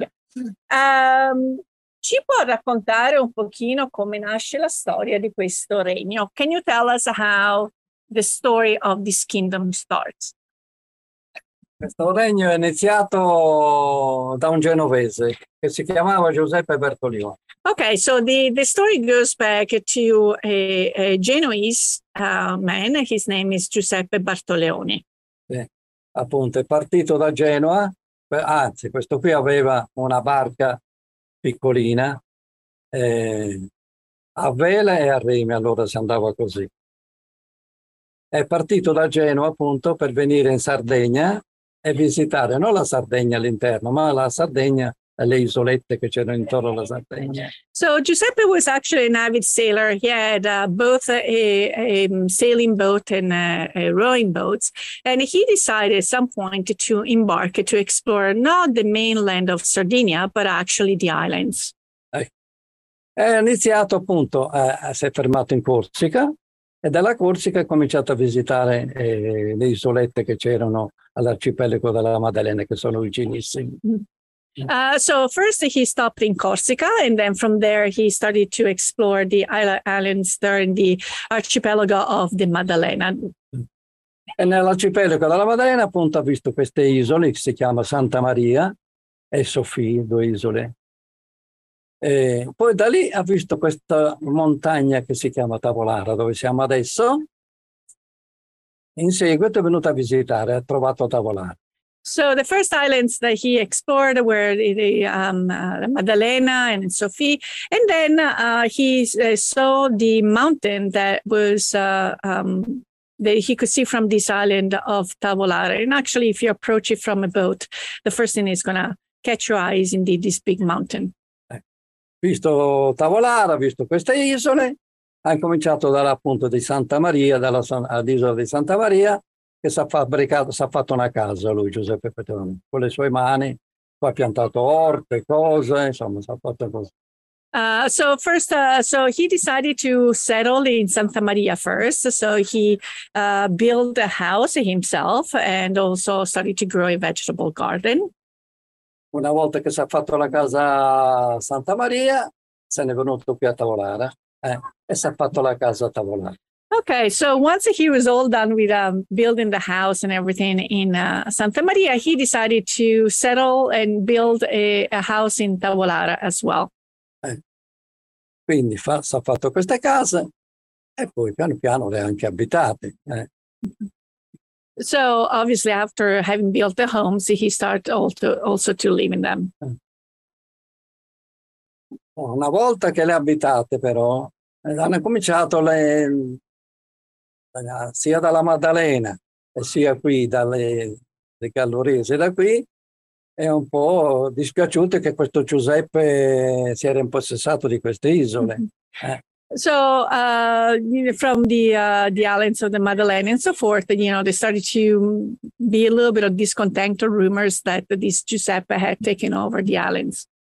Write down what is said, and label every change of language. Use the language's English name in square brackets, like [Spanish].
[Italian] Ci può raccontare un pochino come nasce la storia di questo regno? [English] Can you tell us how the story of this kingdom starts? [Italian] Questo regno è iniziato da un genovese che si chiamava Giuseppe Bertoleone. [English] Okay, so the story goes back to a Genoese man. His name is Giuseppe Bertoleone. [Italian] Appunto, è partito da Genova. Anzi, questo qui aveva una barca piccolina a vela e a remi. Allora si andava così. È partito da Genova, appunto, per venire in Sardegna e visitare non la Sardegna all'interno, ma la Sardegna, le isolette che c'erano intorno alla Sardegna. [English] So Giuseppe was actually an avid sailor. He had both a sailing boat and a rowing boats, and he decided at some point to embark to explore not the mainland of Sardinia, but actually the islands. [Italian] È iniziato appunto, si è fermato in Corsica, e dalla Corsica ha cominciato a visitare le isolette che c'erano all'arcipelago della Maddalena, che sono vicinissime. [English] So first he stopped in Corsica, and then from there he started to explore the islands there in the archipelago of the Maddalena. [Italian] E nell'arcipelago della Maddalena appunto ha visto queste isole che si chiama Santa Maria e Sofì, due isole. E poi da lì ha visto questa montagna che si chiama Tavolara, dove siamo adesso. In seguito è venuto a visitare, ha trovato Tavolara. [English] So the first islands that he explored were the Maddalena and Sofì, and then he saw the mountain that was that he could see from this island of Tavolara. And actually, if you approach it from a boat, the first thing is going to catch your eye is indeed this big mountain. [Italian] Visto Tavolara, visto queste isole, ha cominciato dalla appunto di Santa Maria, dall'isola di Santa Maria. Che si è fatto una casa lui, Giuseppe Bertoleone, con le sue mani, poi ha piantato orte, cose, insomma, si è fatto così. [English] So he decided to settle in Santa Maria first. So he built a house himself and also started to grow a vegetable garden. [Italian] Una volta che si è fatto la casa a Santa Maria, se ne è venuto qui a Tavolara e si è fatto la casa a Tavolara. [English] Okay, so once he was all done with building the house and everything in Santa Maria, he decided to settle and build a house in Tavolara as well. [Italian] Quindi si è fatto queste case e poi piano piano le ha anche abitate. [English] So obviously after having built the homes, he started also to live in them. [Italian] Una volta che le abitate però, hanno cominciato le... sia dalla Maddalena e sia qui dalle Gallurese, da qui è un po' dispiaciuto che questo Giuseppe si era impossessato di queste isole. [English] So from the islands of the Madeleine and so forth, you know, there started to be a little bit of discontent or rumors that this Giuseppe had taken over the islands.